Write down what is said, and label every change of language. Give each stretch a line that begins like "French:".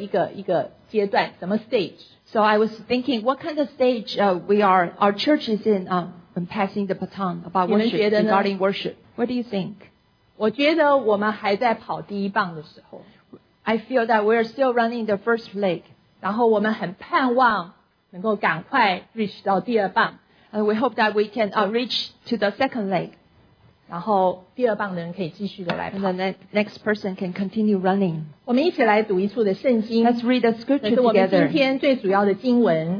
Chinese: 所以我今天在想，我们教会呢，在敬拜这件事情上，到底我们是在什么样的一个阶段，什么 stage？
English: So I was thinking, what kind of stage we are, our church is in when passing the baton about worship, regarding worship. What do you think?
Chinese: 我觉得我们还在跑第一棒的时候，
English: I feel that we're still running the first leg.
Chinese: 然后我们很盼望能够赶快 reach 到第二棒，
English: And we hope that we can reach to the second leg.
Chinese: 然后第二棒的人可以继续的来跑，
English: And the next person can continue running.
Chinese: 我们一起来读一处的圣经，
English: Let's read the scripture together.
Chinese: 这是我们今天最主要的经文，